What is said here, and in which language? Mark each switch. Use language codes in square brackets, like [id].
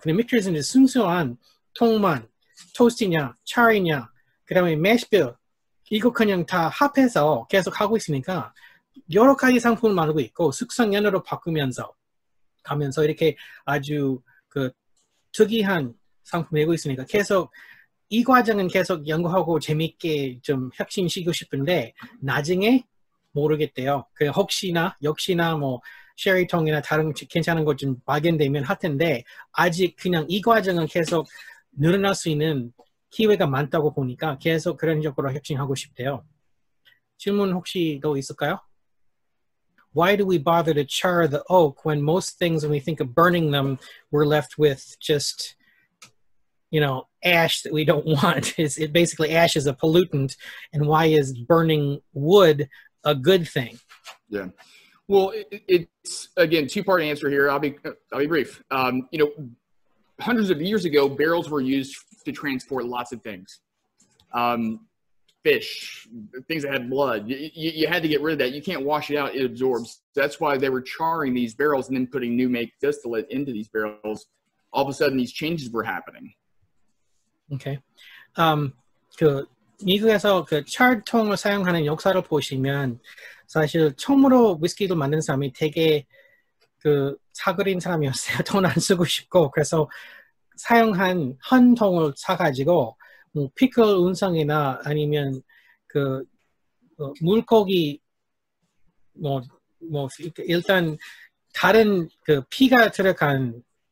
[ko] 근데 Maker's는 이제 순수한 통만, 토스팅이냐, 차이냐, 그 다음에 매쉬빌 이거 그냥 다 합해서 계속 하고 있으니까 여러 가지 상품을 만들고 있고 숙성연으로 바꾸면서 가면서 이렇게 아주 그 특이한 상품 내고 있으니까 계속 이 과정은 계속 연구하고 재밌게 좀 혁신시키고 싶은데 나중에 모르겠대요. 그냥 혹시나 역시나 뭐 쉐리통이나 다른 괜찮은 것 좀 발견되면 할 텐데 아직 그냥 이 과정은 계속 늘어날 수 있는 기회가 많다고 보니까 계속 그런 쪽으로 혁신하고 싶대요. 질문 혹시 더 있을까요? [en] Why do we bother to char the oak when most things, when we think of burning them, we're left with just, you know, ash that we don't want. It basically, ash is a pollutant. And why is burning wood a good thing? Yeah. Well, it's, again, two-part answer here. I'll be brief. You know, hundreds of years ago, barrels were used to transport lots of things. Fish, things that had blood, you had to get rid of that. You can't wash it out, it absorbs. That's why they were charring these barrels and then putting new make distillate into these barrels. All of a sudden, these changes were happening. Okay. [ko] 그 미국에서 그 charred 통을 사용하는 역사를 보시면 사실 처음으로 위스키를 만든 사람이 되게 그 사그린 사람이었어요. 돈 안 쓰고 싶고 그래서 사용한 한 통을 사가지고 뭐 피클 운송이나 아니면 그 물고기 뭐 일단 다른 그 피가 들어간